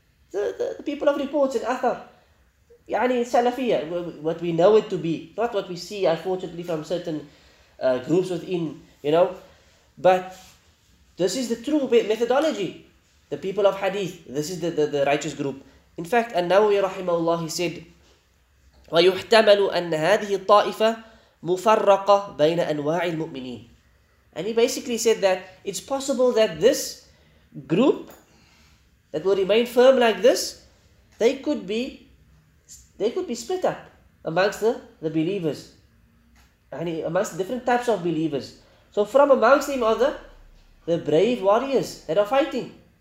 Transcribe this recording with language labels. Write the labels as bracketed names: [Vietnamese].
[English] The people of reports and Athar. Yani Salafiyya, what we know it to be. Not what we see, unfortunately, from certain groups within, you know. But this is the true methodology. The people of Hadith, this is the righteous group. In fact, An-Nawawi rahimahullah, he said, [Arabic] ويحتمل أن هذه الطائفة مفرقة بين أنواع المؤمنين. [English] And he basically said that it's possible that this group that will remain firm like this, they could be split up amongst the believers. And amongst the different types of believers. So from amongst them are the brave warriors that are fighting.